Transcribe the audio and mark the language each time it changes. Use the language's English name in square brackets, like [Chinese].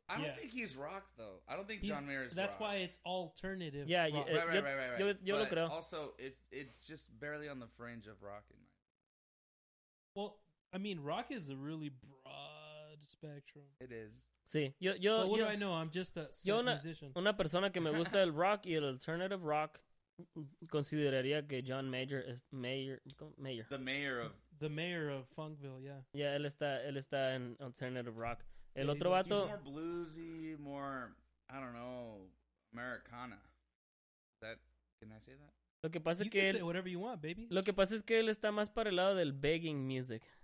[English] I don't think he's rock, though. I don't think John Mayer is rock. That's why it's alternative. Yeah, right. But also, it's just barely on the fringe of rock. In my Well, I mean, rock is a really broad spectrum. It is. [Spanish] Sí, [English] what do I know? I'm just a musician. [Spanish] Yo, una persona que me gusta el rock y el alternative rock, consideraría que John Mayer es mayor. [English] The mayor of Funkville, yeah. [Spanish] Yeah, él está en alternative rock. El otro vato, [English] he's more bluesy, more, I don't know, Americana. Can I say that? [Spanish] Lo que pasa [English] you [Spanish] es que [English] can [Spanish] él, [English] say whatever you want, baby. [Spanish] Lo que pasa es que él está más para el lado del begging music.